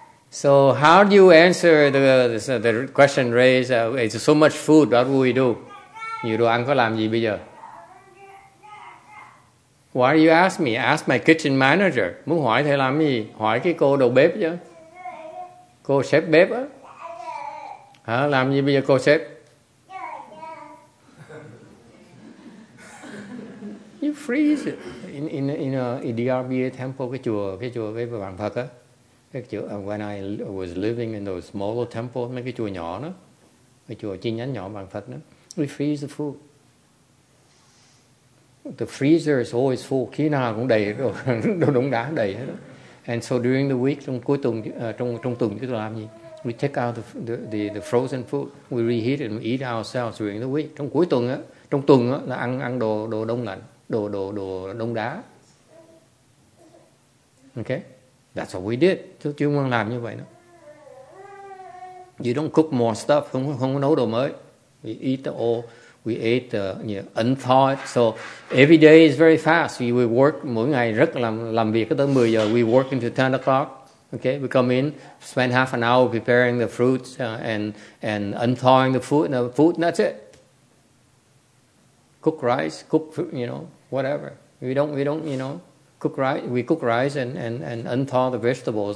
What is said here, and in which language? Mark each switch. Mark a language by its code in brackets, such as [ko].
[en] So how do you answer the question raised? It's so much food, what will we do? [vi] Nhiều đồ ăn có làm gì bây giờ? [en] Why do you ask me? Ask my kitchen manager. [vi] Muốn hỏi thầy làm gì? Hỏi cái cô đầu bếp chứ. Cô sếp bếp á. Hả? Làm gì bây giờ cô sếp? [en] You freeze it. In a DRBA temple, [vi] cái chùa với bàn Phật á. [en] Cái chùa, when I was living in those smaller temples, [vi] mấy cái chùa nhỏ đó. Cái chùa chi nhánh nhỏ bàn Phật đó. [en] We freeze the food. The freezer is always full. [vi] Khi nào cũng đầy rồi, đống đá đầy hết. Đó. [en] And so during the week, [vi] trong cuối tuần, trong tuần chúng tôi làm gì? [en] We take out the frozen food. We reheat and we eat ourselves during the week. [vi] Trong cuối tuần á, trong tuần á là ăn đồ đông lạnh, đồ đông đá. [en] Okay, that's what we did. [vi] Chúng tôi làm như vậy đó. [en] You don't cook more stuff. [vi] Không có nấu đồ mới. [en] We eat the old. We ate unthawed. So every day is very fast. We work, mỗi ngày rất làm việc tới 10 giờ. We work until 10 o'clock. Okay, we come in, spend half an hour preparing the fruits and unthawing the food. The food, that's it. Cook rice, cook, whatever. We don't cook rice. We cook rice and unthaw the vegetables.